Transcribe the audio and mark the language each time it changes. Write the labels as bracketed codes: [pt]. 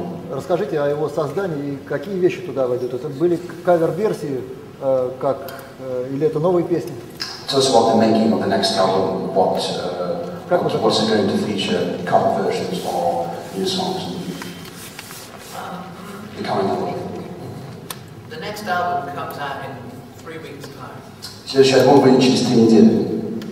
[ru] Расскажите о его создании и какие вещи туда войдут. Это были кавер-версии, как или это новые песни? [en] Tell us about the making of the next album. What's it going to feature? Cover versions or new songs? The coming album. The next album comes out in 3 weeks' time. [ru] Следующий альбом выйдет через 3 недели.